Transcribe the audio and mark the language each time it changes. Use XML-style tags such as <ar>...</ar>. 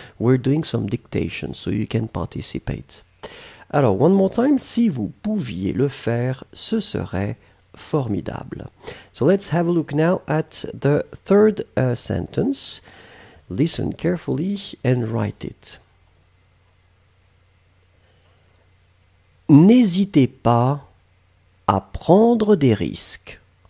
<en>We're doing some dictation, so you can participate.</en> <fr>Alors,</fr> <en>one more time,</en> <fr>si vous pouviez le faire, ce serait formidable.</fr> <en>So let's have a look now at the third sentence. Listen carefully and write it.</en> <fr>N'hésitez pas à prendre des risques.</fr>